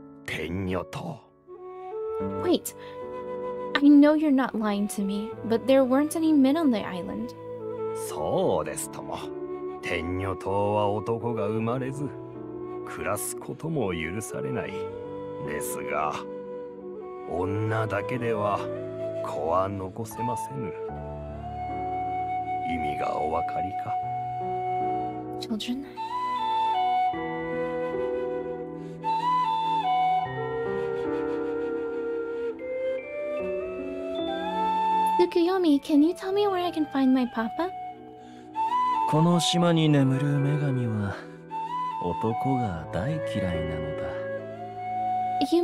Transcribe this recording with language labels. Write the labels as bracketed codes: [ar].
[ja] その花を携え、とある洞窟に向かうと、船が待っている。その船の行く先は天女島。 [en] Wait. I know you're not lying to me, but there weren't any men on the island. [ja] そうですとも。天女島は男が生まれず、暮らすことも許されない。ですが、女だけでは子は残せませぬ。意味がお分かりか? [en] Children? Tsukuyomi, can you tell me where I can find my papa? [ja] この島に眠る女神は男が大嫌いなのだ。 [en] You